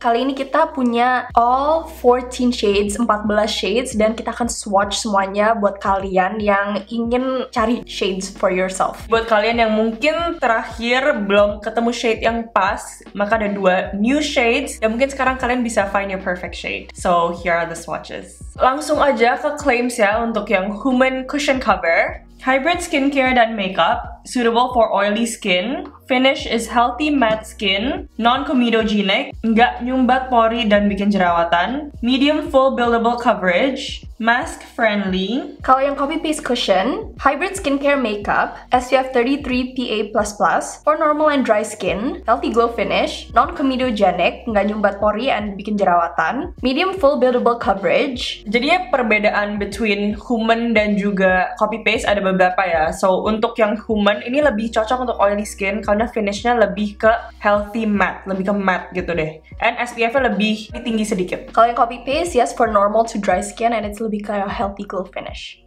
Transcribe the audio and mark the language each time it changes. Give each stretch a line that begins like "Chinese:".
Indonesian: Kali ini kita punya
English: all 14 shades, 14 shades,
Indonesian: dan kita akan swatch semuanya buat kalian yang ingin cari
English: shades for yourself.
Indonesian: Buat kalian yang mungkin terakhir belum ketemu shade yang pas, maka ada 2 new shades, dan mungkin sekarang kalian bisa
English: find your perfect shade. So here are the swatches.
Indonesian: Langsung aja ke claims ya untuk yang human cushion cover.
English: Hybrid skincare and makeup, suitable for oily skin. Finish is healthy matte skin, non-comedogenic,
Indonesian: nggak nyumbat pori dan bikin jerawatan.
English: Medium full buildable coverage, mask friendly. Kalau yang copy paste cushion, hybrid skincare makeup, SPF 33 PA++, for normal and dry skin, healthy glow finish, non-comedogenic,
Indonesian: nggak nyumbat pori
English: and
Indonesian: bikin jerawatan.
English: Medium full buildable coverage.
Indonesian: Jadi perbedaan between human dan juga copy paste ada beberapa ya. So untuk yang human ini lebih cocok untuk oily skin karena finishnya lebih ke healthy matte, lebih ke matte gitu deh. And SPF-nya lebih tinggi sedikit. Kalau yang copy paste,
English: yes, for normal to dry skin and it's
Indonesian: lebih kayak
English: healthy glow finish.